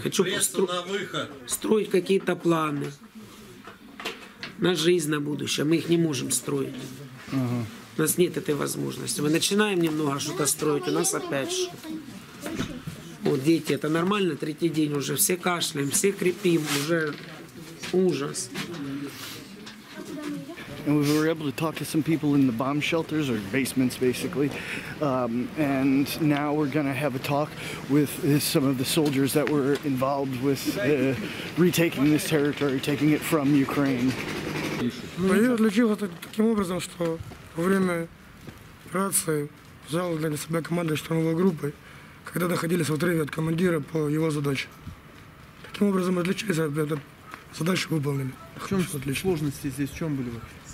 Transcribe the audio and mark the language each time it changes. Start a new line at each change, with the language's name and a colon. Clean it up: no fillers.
Russian: Хочу построить какие-то планы на жизнь, на будущее. Мы их не можем строить. Ага. У нас нет этой возможности. Мы начинаем немного что-то строить, у нас опять что-то. Вот дети, это нормально, 3-й день уже, все кашляем, все крепим, уже ужас.
English: and we were able to talk to some people in the bomb shelters, or basements, basically. And now we're going to have a talk with some of the soldiers that were involved with retaking this territory, taking it from Ukraine.
Russian: Я отличил это таким образом, что во время операции взял для себя командование штурмовой группой, когда находились в отрыве от командира по его задаче. Таким образом отличились, когда задачу выполнили. В чем сложности здесь, в чем были вообще?